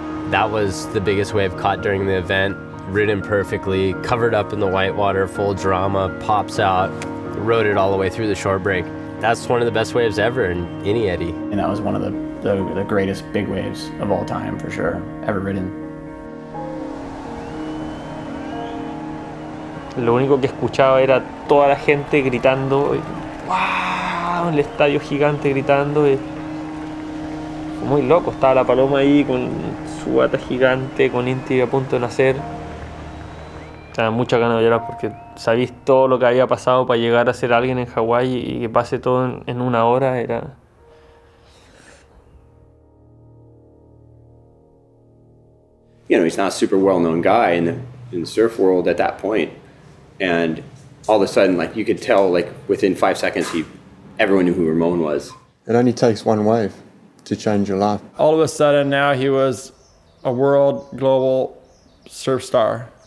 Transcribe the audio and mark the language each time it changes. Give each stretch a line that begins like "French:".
English: That was the biggest wave caught during the event, ridden perfectly, covered up in the whitewater, full drama, pops out, rode it all the way through the shore break. That's one of the best waves ever in any eddy. And that was one of the greatest big waves of all time, for sure, ever ridden.
Spanish: Lo único que escuchaba era toda la gente gritando, wow, el estadio gigante gritando. Y fue muy loco, estaba la paloma ahí con su bata gigante, con Inti a punto de nacer. Tenía mucha ganas de llorar porque sabéis todo lo que había pasado para llegar a ser alguien en Hawái y que pase todo en una hora, era...
English: You know, he's not a super well-known guy in the surf world at that point. And all of a sudden, like, you could tell, like, within 5 seconds, everyone knew who Ramon was. It only takes one wave to change your life. All of a sudden, now he was a world, global surf star.